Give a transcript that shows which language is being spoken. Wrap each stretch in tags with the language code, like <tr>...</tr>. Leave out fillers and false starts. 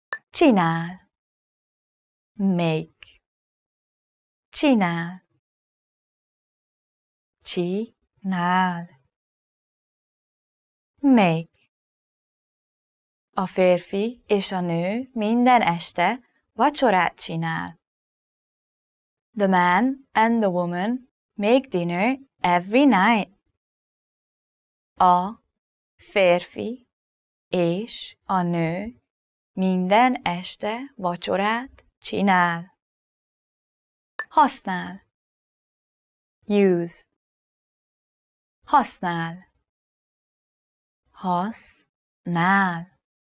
<hu>Csinál.</hu> <en>Make.</en> <hu>Csinál. Csinál.</hu> <en>Make.</en> <hu>A férfi és a nő minden este vacsorát csinál.</hu> <en>The man and the woman make dinner every night.</en> <hu>A férfi és a nő minden este vacsorát csinál. Használ.</hu> <en>Use.</en> <hu>Használ. Használ.</hu>